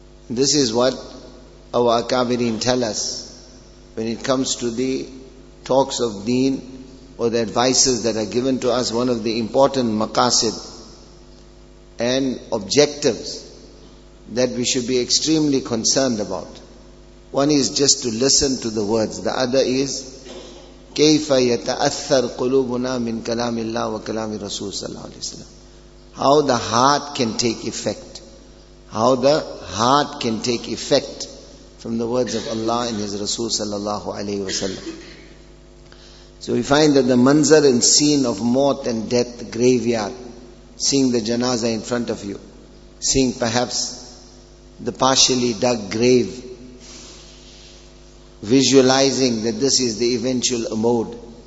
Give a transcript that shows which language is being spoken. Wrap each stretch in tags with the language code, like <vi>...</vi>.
<en>This is what our akabirin tell us when it comes to the talks of deen or the advices that are given to us. One of the important maqasid and objectives that we should be extremely concerned about. One is just to listen to the words. The other is</en> <ar>كَيْفَ يَتَأَثَّرْ قُلُوبُنَا مِنْ كَلَامِ اللَّهِ وَكَلَامِ الرَّسُولِ صَلَّى اللَّهُ عَلَيْهِ وَسَلَّمَ</ar> <en>How the heart can take effect. How the heart can take effect from the words of Allah and His Rasul sallallahu alayhi wa sallam. So we find that the manzar and scene of mort and death, graveyard, seeing the janazah in front of you, seeing perhaps the partially dug grave, visualizing that this is the eventual abode.</en>